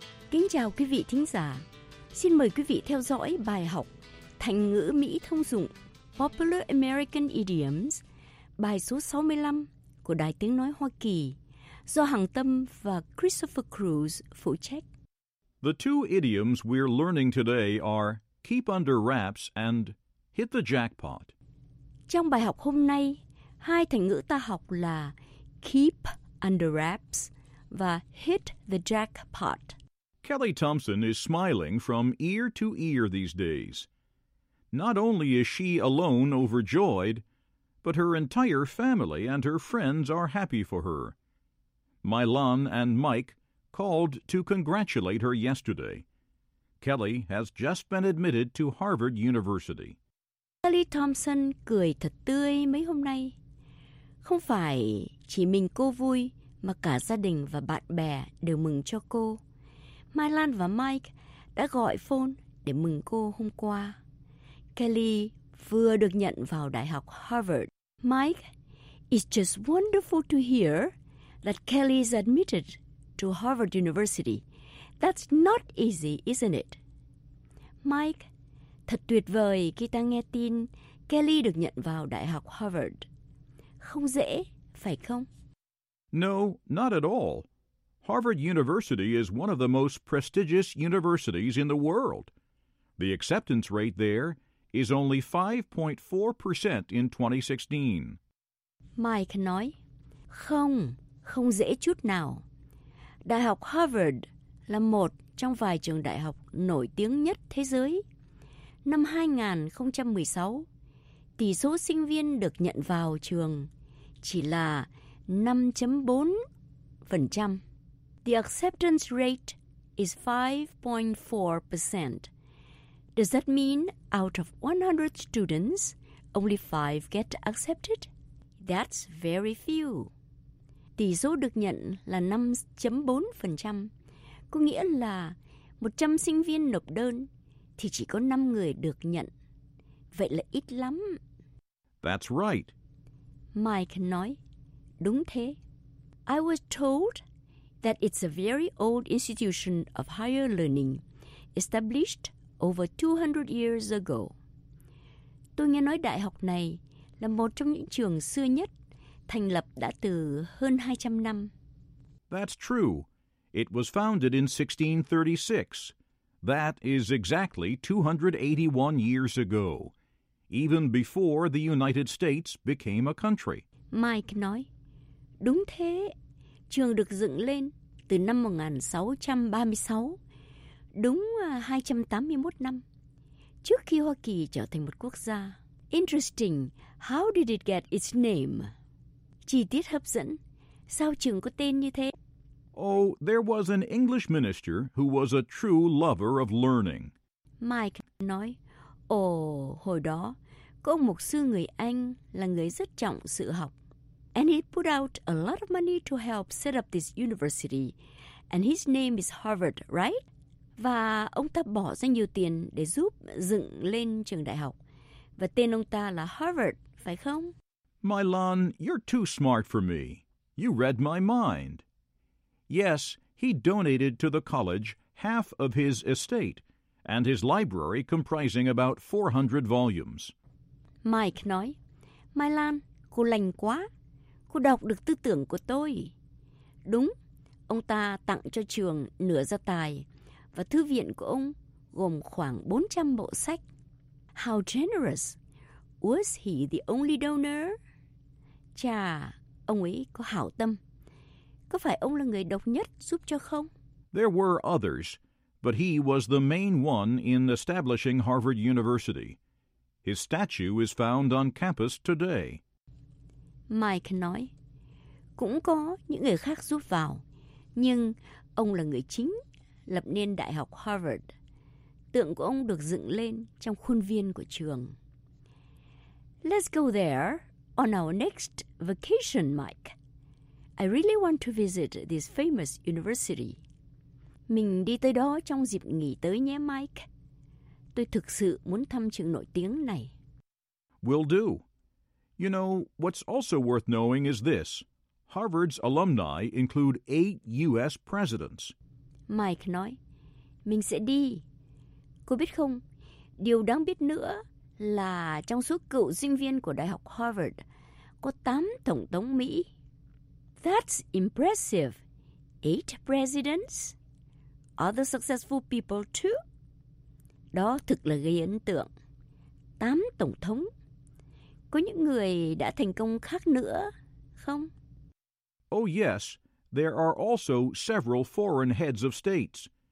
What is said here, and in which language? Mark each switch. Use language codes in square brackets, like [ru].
[vi] Kính chào quý vị thính giả. Xin mời quý vị theo dõi bài học thành ngữ Mỹ thông dụng Popular American Idioms, bài số 65 của Đài Tiếng Nói Hoa Kỳ, do Hằng Tâm và Christopher Cruz phụ trách. [en] The two idioms we're learning today are keep under wraps and hit the jackpot. [vi] Trong bài học hôm nay, hai thành ngữ ta học là [en] keep under wraps [vi] và [en] hit the jackpot. Kelly Thompson is smiling from ear to ear these days. Not only is she alone overjoyed, but her entire family and her friends are happy for her. Mylon and Mike called to congratulate her yesterday. Kelly has just been admitted to Harvard University. [vi] Kelly Thompson cười thật tươi mấy hôm nay. Không phải chỉ mình cô vui, mà cả gia đình và bạn bè đều mừng cho cô. Mylon và Mike đã gọi phone để mừng cô hôm qua. Kelly vừa được nhận vào Đại học Harvard. [en] Mike, it's just wonderful to hear that Kelly is admitted to Harvard University. That's not easy, isn't it? [vi] Mike, thật tuyệt vời khi ta nghe tin Kelly được nhận vào Đại học Harvard. Không dễ, phải không? [en] No, not at all. Harvard University is one of the most prestigious universities in the world. The acceptance rate there is only 5.4% in 2016. [vi] Mike nói, không, không dễ chút nào. Đại học Harvard là một trong vài trường đại học nổi tiếng nhất thế giới. Năm 2016, tỷ số sinh viên được nhận vào trường chỉ là 5.4%. [en] The acceptance rate is 5.4%. Does that mean out of 100 students, only 5 get accepted? That's very few. [vi] Tỷ số được nhận là 5.4%, có nghĩa là 100 sinh viên nộp đơn thì chỉ có 5 người được nhận. Vậy là ít lắm. [en] That's right. [vi] Mike nói, đúng thế. [en] I was told that it's a very old institution of higher learning, established over 200 years ago. [vi] Tôi nghe nói đại học này là một trong những trường xưa nhất, thành lập đã từ hơn 200 năm. [en] That's true. It was founded in 1636. That is exactly 281 years ago, even before the United States became a country. [vi] Mike nói, đúng thế, trường được dựng lên từ năm 1636, đúng 281 năm, trước khi Hoa Kỳ trở thành một quốc gia. [en] Interesting, how did it get its name? [vi] Chi tiết hấp dẫn, sao trường có tên như thế? [en] Oh, there was an English minister who was a true lover of learning. [vi] Mike nói, hồi đó, có một mục sư người Anh là người rất trọng sự học. [en] And he put out a lot of money to help set up this university. And his name is Harvard, right? [vi] Và ông ta bỏ ra nhiều tiền để giúp dựng lên trường đại học. Và tên ông ta là Harvard, phải không? [en] Milan, you're too smart for me. You read my mind. Yes, he donated to the college half of his estate and his library comprising about 400 volumes. [vi] Mike nói, Milan, cô lành quá. Cô đọc được tư tưởng của tôi. Đúng, ông ta tặng cho trường nửa gia tài và thư viện của ông gồm khoảng 400 bộ sách. [en] How generous! Was he the only donor? [vi] Chà, ông ấy có hảo tâm. Có phải ông là người độc nhất giúp cho không? [en] There were others, but he was the main one in establishing Harvard University. His statue is found on campus today. [vi] Mike nói, cũng có những người khác giúp vào, nhưng ông là người chính lập nên Đại học Harvard. Tượng của ông được dựng lên trong khuôn viên của trường. [en] Let's go there on our next vacation, Mike. I really want to visit this famous university. [vi] Mình đi tới đó trong dịp nghỉ tới nhé, Mike. Tôi thực sự muốn thăm trường nổi tiếng này. [en] Will do. You know, what's also worth knowing is this. Harvard's alumni include 8 U.S. presidents. [vi] Mike nói, mình sẽ đi. Cô biết không, điều đáng biết nữa là trong số cựu sinh viên của Đại học Harvard, có 8 tổng thống Mỹ. [en] That's impressive. 8 presidents? Other successful people too? [vi] Đó thực là gây ấn tượng. 8 tổng thống. Có những người đã thành công khác nữa, không? [en] Oh yes, there are also several foreign heads of states.